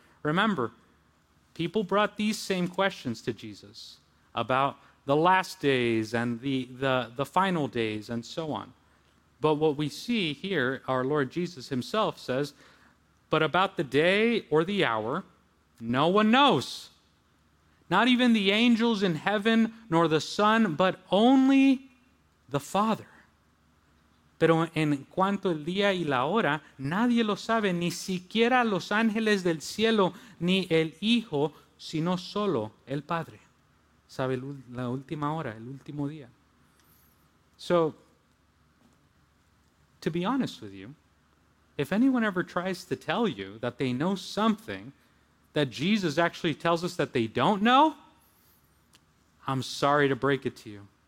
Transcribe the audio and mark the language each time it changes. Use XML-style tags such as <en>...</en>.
<en>Remember, people brought these same questions to Jesus about the last days and the final days and so on. But what we see here, our Lord Jesus himself says, but about the day or the hour, no one knows. Not even the angels in heaven nor the Son, but only the Father.</en> <es>Pero en cuanto al día y la hora, nadie lo sabe, ni siquiera los ángeles del cielo, ni el Hijo, sino solo el Padre. Sabe la última hora, el último día.</es> <en>So, to be honest with you, if anyone ever tries to tell you that they know something that Jesus actually tells us that they don't know, I'm sorry to break it to you.</en>